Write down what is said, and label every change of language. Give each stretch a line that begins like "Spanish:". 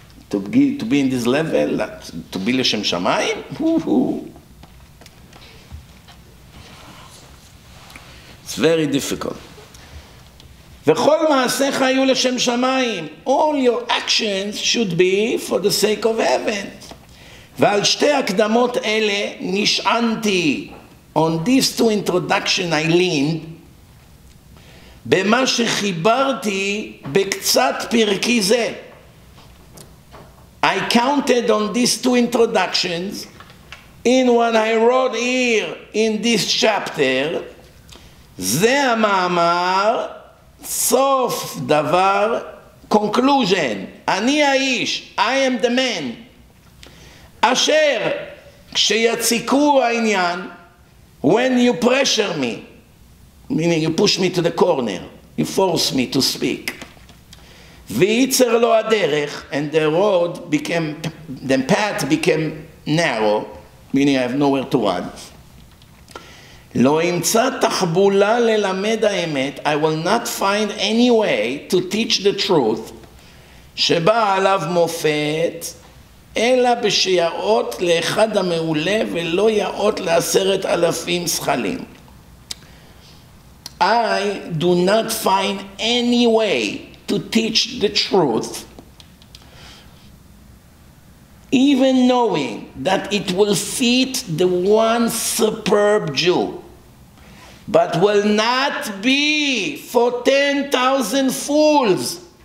English: To be in this level, to be L'Shem Shamayim? It's very difficult.
Hebrew: וכל מעשיך היו לשם שמיים.
English: All your actions should be for the sake of heaven.
Hebrew: ועל שתי הקדמות אלה נשענתי.
English: On these two introductions I leaned.
Hebrew: במה שחיברתי בקצת פרקי זה.
English: I counted on these two introductions in what I wrote here in this chapter.
Hebrew: זה המאמר, סוף דבר, conclusion. אני האיש,
English: I am the man. אשר, כשיציקו העניין, when you pressure me, meaning you push me to the corner, you force me to speak.
Hebrew: ויצר לו הדרך,
English: and the road became, the path became narrow, meaning I have nowhere to run.
Hebrew: לא ימצא תחבולה ללמד האמת,
English: I will not find any way to teach the truth,
Hebrew: שבא עליו מופת, אלא בשיעות לאחד המעולה ולא יעות לעשרת אלפים שחלים.
English: I do not find any way to teach the truth, even knowing that it will feed the one superb Jew, but will not be for 10,000 fools.